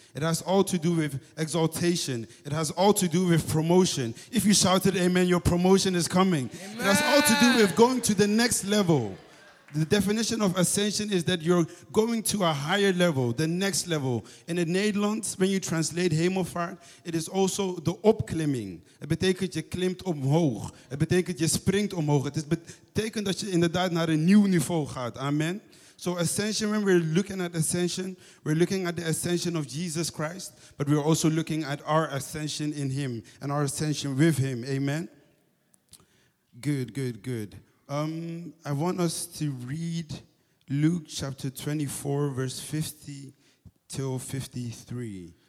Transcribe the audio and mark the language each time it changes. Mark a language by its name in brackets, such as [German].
[English] It has all to do with exaltation. It has all to do with promotion. If you shouted amen, your promotion is coming. Amen. It has all to do with going to the next level. The definition of Ascension is that you're going to a higher level, the next level. In the Netherlands, when you translate Hemelvaart, it is also the opklimming. [Dutch] Het betekent je klimt omhoog. Het betekent je springt omhoog. Het betekent dat je inderdaad naar een nieuw niveau gaat. [English] Amen. So Ascension, when we're looking at Ascension, we're looking at the Ascension of Jesus Christ, but we're also looking at our Ascension in him and our Ascension with him. Amen. Good, good, good. I want us to read Luke chapter 24, verse 50 till 53.